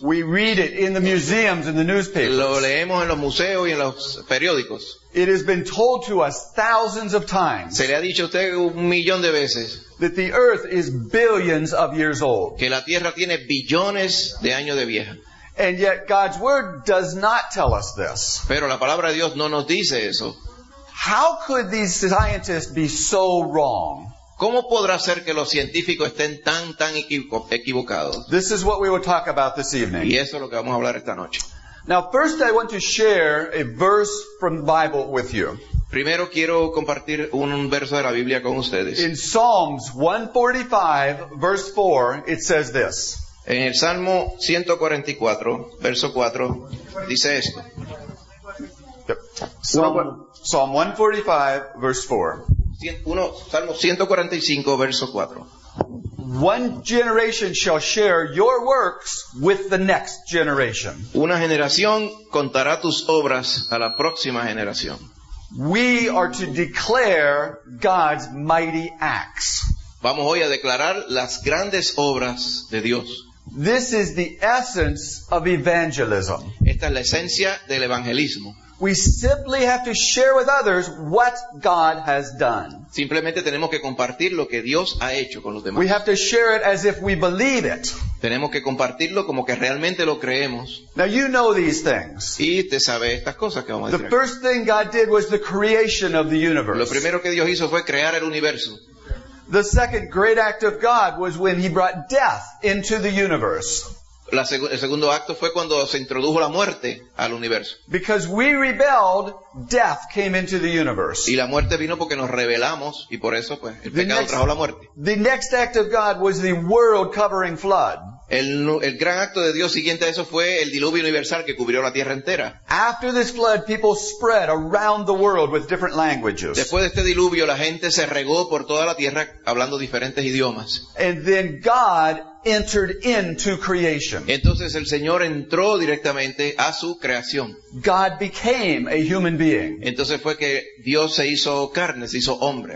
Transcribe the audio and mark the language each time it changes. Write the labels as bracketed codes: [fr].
[en] We read it in the museums and the newspapers. [es] Lo leemos en los museos y en los periódicos. [en] It has been told to us thousands of times. [es] Se le ha dicho a usted un millón de veces. [en] That the earth is billions of years old. [es] Que la tierra tiene billones de años de vieja. [en] And yet God's word does not tell us this. [es] Pero la palabra de Dios no nos dice eso. [en] How could these scientists be so wrong? [es] ¿Cómo podrá ser que los científicos estén tan equivocados? [en] This is what we will talk about this evening. [es] Y eso es lo que vamos a hablar esta noche. [en] Now first I want to share a verse from the Bible with you. [es] Primero quiero compartir un verso de la Biblia con ustedes. [en] In Psalms 145 verse 4 it says this. [es] En el Salmo 144, verso 4, dice esto. [en] Psalm 145, verse 4. [es] Salmo 145, verso 4. [en] One generation shall share your works with the next generation. [es] Una generación contará tus obras a la próxima generación. [en] We are to declare God's mighty acts. [es] Vamos hoy a declarar las grandes obras de Dios. [en] This is the essence of evangelism. [es] Esta es la esencia del evangelismo. [en] We simply have to share with others what God has done. [es] Simplemente tenemos que compartir lo que Dios ha hecho con los demás. [en] We have to share it as if we believe it. [es] Tenemos que compartirlo como que realmente lo creemos. [en] Now you know these things. [es] Y te sabe estas cosas que vamos a decir. [en] The first thing God did was the creation of the universe. [es] Lo primero que Dios hizo fue crear el universo. [en] The second great act of God was when he brought death into the universe. [es] El segundo acto fue cuando se introdujo la muerte al universo. [en] Because we rebelled, death came into the universe. [es] Y la muerte vino porque nos rebelamos y por eso pues el pecado trajo la muerte. [en] The next act of God was the world covering flood. [es] El gran acto de Dios siguiente a eso fue el diluvio universal que cubrió la tierra entera. [en] After this flood, people spread around the world with different languages. [es] Después de este diluvio, la gente se regó por toda la tierra hablando diferentes idiomas. [en] And then God entered into creation. [es] Entonces el Señor entró directamente a su creación. [en] God became a human being. [es] Entonces fue que Dios se hizo carne, se hizo hombre.